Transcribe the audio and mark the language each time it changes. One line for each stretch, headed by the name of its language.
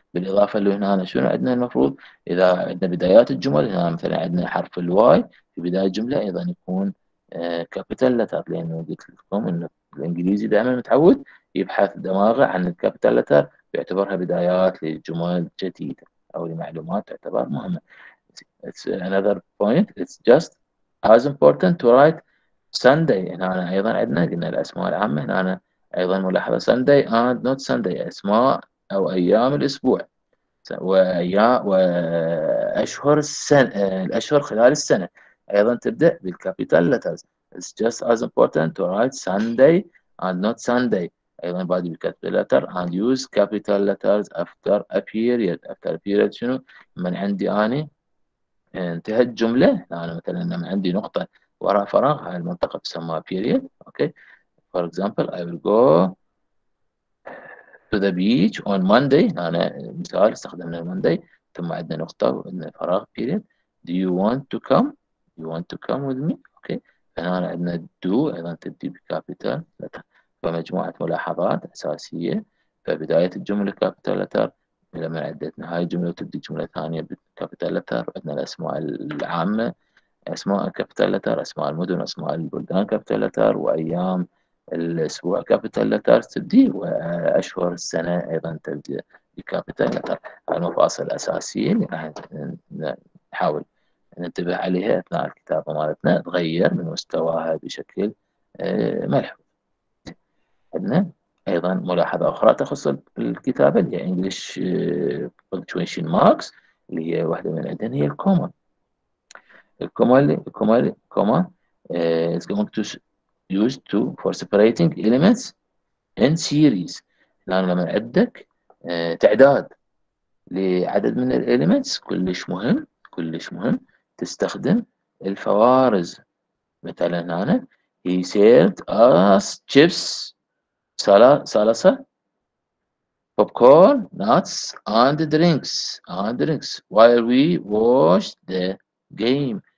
Arabic: بالإضافة له هنا شنو عندنا المفروض؟ إذا عندنا بدايات الجمل هنا مثلا عندنا حرف الواي في بداية الجملة أيضا يكون كابيتال لتر، لأنه قلت لكم إنه الإنجليزي دائما متعود يبحث دماغه عن الكابيتال لتر ويعتبرها بدايات لجمل جديدة أو لمعلومات تعتبر مهمة.
English: It's another point. It's just as important to write Sunday.
Arabic: هنا أنا أيضا عندنا قلنا الأسماء العامة، هنا أنا أيضا ملاحظة
English: Sunday and not Sunday،
Arabic: أسماء أو أيام الأسبوع وأيام وأشهر السنة، الأشهر خلال السنة أيضا تبدأ بالكابيتال letters.
English: It's just as important to write Sunday and not Sunday.
Arabic: أيضا بعد بكتب
English: letter and use capital letters after a period. After a period
Arabic: شنو؟ من عندي أني انتهت جملة، أنا مثلا من عندي نقطة وراء فراغ، هاي المنطقة تسمى period.
English: Okay. For example, I will go to the beach on Monday.
Arabic: أنا مثال استخدمنا Monday، ثم عندنا نقطة فراغ period.
English: Do you want to come? You want to come with me? Okay.
Arabic: فهنا عندنا do أيضا تبدي بكابيتال letter. فمجموعة ملاحظات أساسية، فبداية الجملة كابيتال لتر، لما عدت نهاية الجملة وتبدي جملة ثانية بكابيتال لتر، عندنا الأسماء العامة أسماء كابيتال لتر، أسماء المدن أسماء البلدان كابيتال لتر، وأيام الأسبوع كابيتال لتر تبدي، وأشهر السنة أيضا تبدي بكابيتال لتر. المفاصل الأساسية اللي راح نحاول ننتبه عليها أثناء الكتابة مالتنا تغير من مستواها بشكل ملحوظ. عندنا ايضا ملاحظه اخرى تخص الكتابه اللي هي انجلش بونكتويشن ماركس، اللي هي واحده من عندنا هي الكوما.
English: الكوما is going to use to for separating elements in series.
Arabic: الان لما عندك تعداد لعدد من الاليمنتس كلش مهم، كلش مهم تستخدم الفوارز. مثلا هنا
English: he served us chips صلصة popcorn nuts and drinks and drinks while we watch the game.